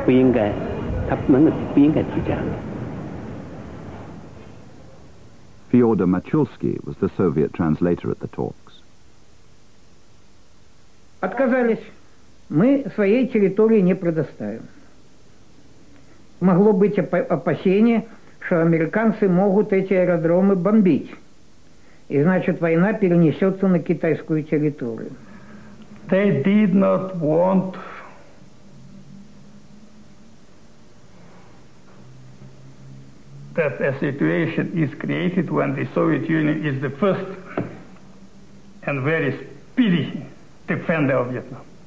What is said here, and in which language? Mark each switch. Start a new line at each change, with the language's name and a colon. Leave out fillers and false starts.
Chinese: 我们不能把这个在我们领土上给他这样的一个机会，这很简单，我们不能在我们领土给他这样一个机会。由他来管的，那我们这个国家怎么办？这个是很不，我们当时听了之后都很吃惊，不应该，他不能不应该提这样的。
English: Fyodor Machulsky was the Soviet translator at the talks.
Russian: Отказались. Мы своей территории не предоставим. Могло быть опасение, что американцы могут эти аэродромы бомбить. И значит, война перенесется на китайскую территорию.
English: They did not want that a situation is created when the Soviet Union is the first and very speedy defender of Vietnam.